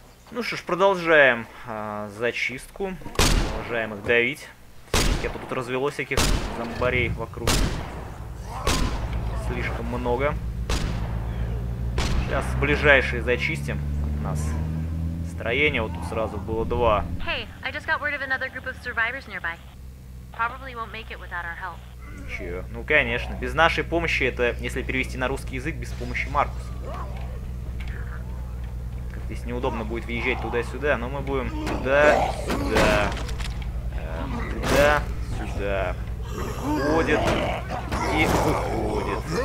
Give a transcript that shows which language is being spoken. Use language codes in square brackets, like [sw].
[ru] Ну что ж, продолжаем зачистку. Продолжаем их давить. Я тут развело всяких зомбарей вокруг. Слишком много. Сейчас ближайшие зачистим от нас. Строение вот тут сразу было два. [en] Hey, I just got word of another group of survivors nearby. Probably won't make it without our help. [ru] Ничего. Ну конечно. Без нашей помощи это, если перевести на русский язык, без помощи Маркуса. Здесь неудобно будет въезжать туда-сюда, но мы будем туда-сюда. Туда-сюда. Входит и выходит.